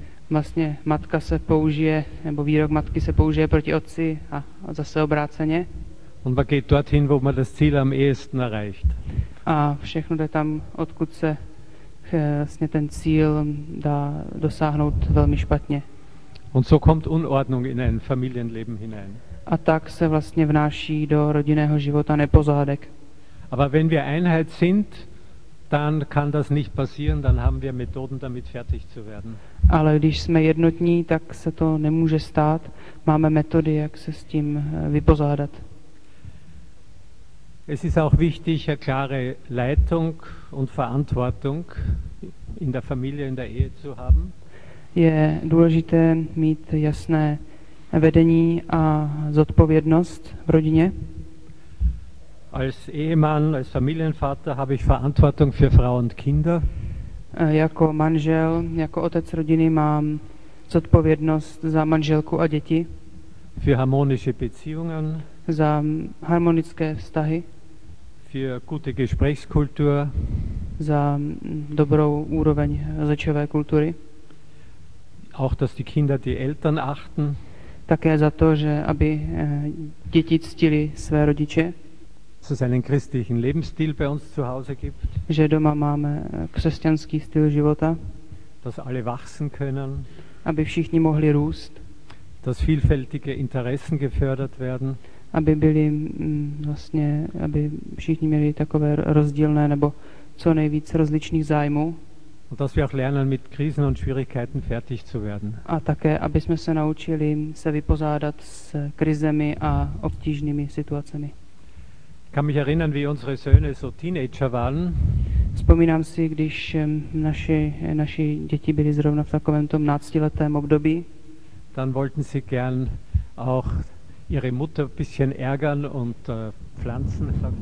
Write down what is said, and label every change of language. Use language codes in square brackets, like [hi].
[cs] Vlastně matka se použije, nebo výrok matky se použije proti otci a zase obráceně. [de] Und man geht dorthin, wo man das Ziel am ehesten erreicht. [cs] A všechno jde tam, odkud se vlastně ten cíl dá dosáhnout velmi špatně. [de] Und so kommt Unordnung in ein Familienleben hinein. [cs] A tak se vlastně vnáší do rodinného života nepořádek. [de] Aber wenn wir Einheit sind, dann kann das nicht passieren, dann haben wir Methoden damit fertig zu werden. [cs] Ale když jsme jednotní, tak se to nemůže stát. Máme metody, jak se s tím vypořádat. [de] Es ist auch wichtig, eine klare Leitung und Verantwortung in der Familie, in der Ehe zu haben. [cs] Je důležité mít jasné vedení a zodpovědnost v rodině. [de] Als Ehemann, als Familienvater habe ich Verantwortung für Frau und Kinder. [cs] Jako manžel, jako otec rodiny mám zodpovědnost za manželku a děti. [de] Für harmonische Beziehungen. [cs] Za harmonické vztahy. [de] für gute Gesprächskultur. [cs] Za dobrou úroveň řečové kultury. [de] Auch dass die Kinder die Eltern achten. [cs] Také za to, že aby děti ctili své rodiče. [de] Dass es einen christlichen Lebensstil bei uns zu Hause gibt. [cs] Že doma máme křesťanský styl života. [de] Dass alle wachsen können. [cs] Aby všichni mohli růst. [de] Dass vielfältige Interessen gefördert werden. [cs] Aby byli vlastně, aby všichni měli takové rozdílné nebo co nejvíc rozličných zájmů. [de] Und dass wir auch lernen, mit Krisen und Schwierigkeiten fertig zu werden. [cs] A také, aby jsme se naučili se vypořádat s krizemi a obtížnými situacemi. [de] Ich kann mich erinnern, wie unsere Söhne so Teenager waren. [cs] Vzpomínám si, když naši děti byli zrovna v takovém tom náctiletém období. [de] Dann wollten sie gern auch ihre Mutter ein bisschen ärgern und pflanzen.